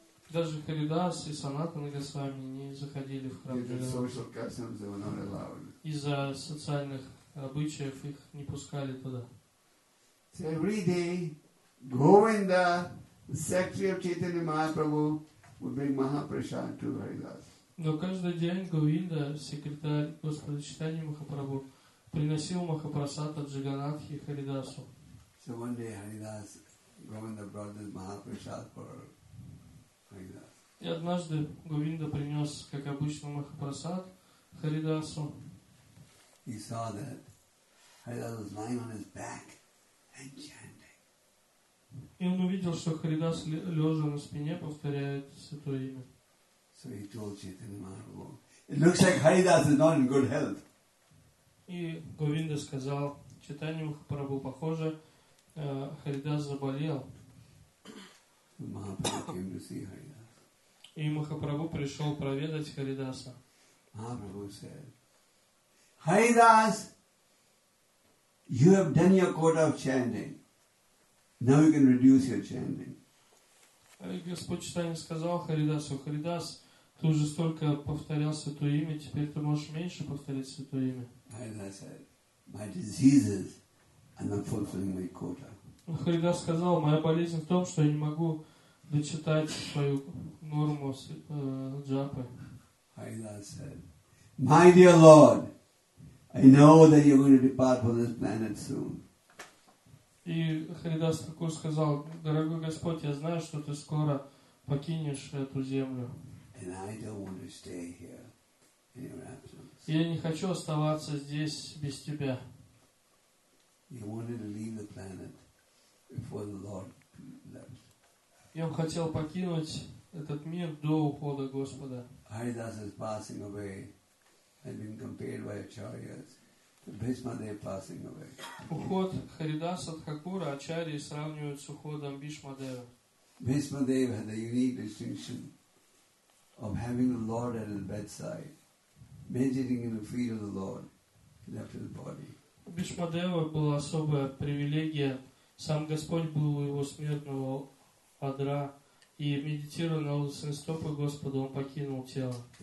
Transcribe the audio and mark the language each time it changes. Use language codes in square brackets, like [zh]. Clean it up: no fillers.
[ru] Даже Харидас и Санатана Госвами не заходили в храм Джаганатхи. Из-за социальных обычаев их не пускали туда. [en] So every day, Govinda, the secretary of Chaitanya Mahaprabhu, would bring Mahaprasad to Haridas. [ru] Но каждый день Говинда, секретарь Господа Чайтанья Махапрабху, приносил Махапрасад от Джаганатхи Харидасу. [en] So one day Haridas, Govinda brought this Mahaprasad for [ru] И однажды Говинда принес, как обычно, Махапрасад Харидасу. [en] He saw that Haridas was lying on his back and chanting. [ru] И он увидел, что Харидас лежа на спине повторяет святое имя. [en] So he told Chaitanya Mahaprabhu, "It looks like Haridas is not in good health." [ru] И Говинда сказал Чайтанья Махапрабху, похоже, Харидас заболел. И Махапрабху пришел проведать Харидаса. [en] Махапрабху said, Haridas, you have done your quota of chanting. Now you can reduce your chanting. [ru] Господь Читание сказал Харидасу: Харидас, ты уже столько повторял Святое Имя, теперь ты можешь меньше повторять Святое Имя. Харидас сказал: моя болезнь в том, что я не могу дочитать свою норму джапы. [en] Харидас [ru] сказал: [en] My dear Lord, I know that you're going to depart from this planet soon. [ru] И Харидас Такур сказал: дорогой Господь, я знаю, что ты скоро покинешь эту землю. [en] And I don't want to stay here in your absence. [ru] Я не хочу оставаться здесь без тебя. [en] You wanted to leave the planet before the Lord left. [ru] И он хотел покинуть этот мир до ухода Господа. [en] Харидас is passing away. Had been compared by Acharyas to Bhishma Dev passing away. [ru] Уход Харидаса от Хакура Ачарьи сравнивают с уходом Бишма Дева. [en] Bhishma Dev had the unique distinction of having the Lord at his bedside, meditating in the feet of the Lord, left his body. [ru] У Бишма Дева была особая привилегия. Сам Господь был у его смертного одра. И медитируя на лотосные стопы Господа, он покинул тело.